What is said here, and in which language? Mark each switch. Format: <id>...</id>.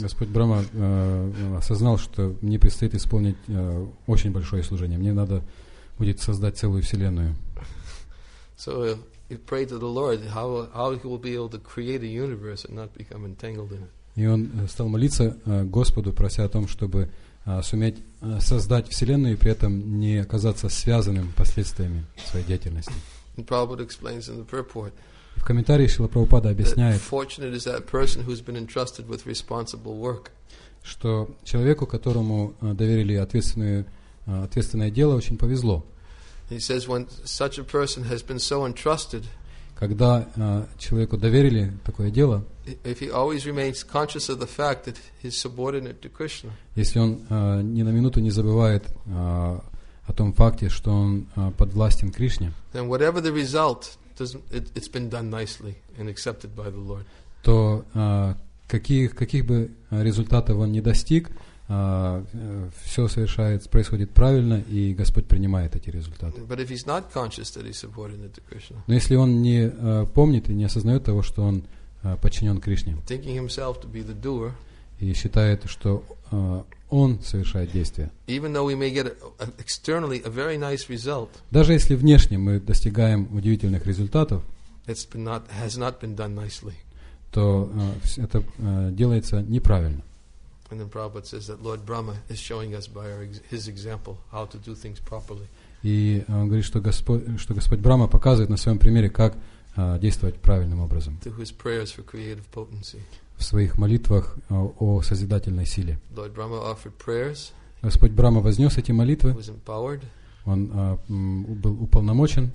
<ru>Господь Брахма осознал, что мне предстоит исполнить очень большое служение. Мне надо будет создать целую вселенную.</ru> <en>So he prayed to the Lord how he will be able to create a universe and not become entangled in it.</en> <ru>И он стал молиться Господу, прося о том, чтобы суметь создать вселенную и при этом не оказаться связанным последствиями своей деятельности.</ru> <en>And Prabhupada explains in the purport.</en> <ru>В комментарии Шрила Прабхупада объясняет,</ru> <en>fortunate is that person who's been entrusted with responsible work.</en> <ru>Что человеку, которому доверили ответственное дело, очень повезло.</ru> <en>He says when such a person has been so entrusted,</en> <ru>когда человеку доверили такое дело,</ru> <en>if he always remains conscious of the fact that he's subordinate to Krishna,</en> <ru>если он ни на минуту не забывает о том факте, что он подвластен Кришне,</ru> <en>then whatever the result, it's been done nicely and accepted by the Lord.</en> <ru>То каких бы результатов он ни достиг, все совершается, происходит правильно, и Господь принимает эти результаты.</ru> <en>But if he's not conscious that he's subordinate to Krishna,</en> <ru>но если он не помнит и не осознает того, что он подчинен Кришне,</ru> <en>thinking himself to be the doer,</en> <ru>и считает, что он совершает действия,</ru> <en>even though we may get externally a very nice result,</en> <ru>даже если внешне мы достигаем удивительных результатов,</ru> <en>has not been done nicely,</en> <ru>то это делается неправильно.</ru> <en>And then Prabhupada says that Lord Brahma is showing us by his example how to do things properly.</en> <ru>И он говорит, что Господь Брахма показывает на своем примере, как действовать правильным образом.</ru> <en>Through his prayers for creative potency.</en> <ru>В своих молитвах о созидательной силе.</ru> <en>Lord Brahma offered prayers.</en> <ru>Господь Брахма вознес эти молитвы.</ru> <en>He was empowered.</en> <ru>Он был уполномочен.</ru>